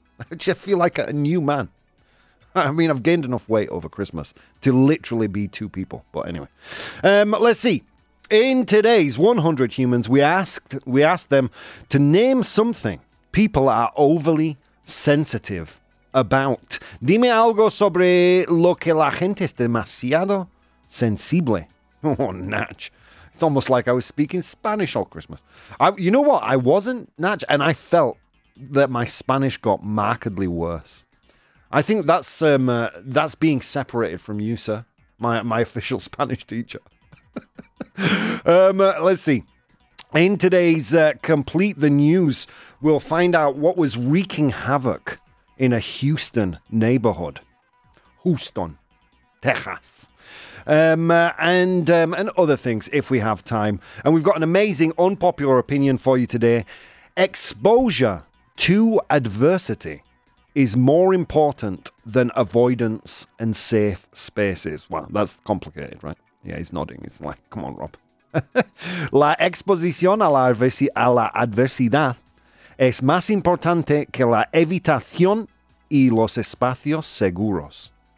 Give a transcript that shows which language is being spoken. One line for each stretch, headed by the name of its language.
English: I just feel like a new man. I mean, I've gained enough weight over Christmas to literally be two people. But anyway, let's see. In today's 100 humans, we asked them to name something people are overly sensitive about.
Spanish: Dime algo sobre lo que la gente es demasiado sensible.
English: Oh, Natch. It's almost like I was speaking Spanish all Christmas. You know what? I wasn't, Natch, and I felt that my Spanish got markedly worse. I think that's being separated from you, sir, my official Spanish teacher. let's see. In today's Complete the News, we'll find out what was wreaking havoc in a Houston neighborhood. Houston, Texas. And other things, if we have time. And we've got an amazing unpopular opinion for you today. Exposure to adversity is more important than avoidance and safe spaces. Wow, that's complicated, right? Yeah, he's nodding. He's like, come on, Rob.
Spanish: La exposición a la adversidad es más importante que la evitación y los espacios seguros.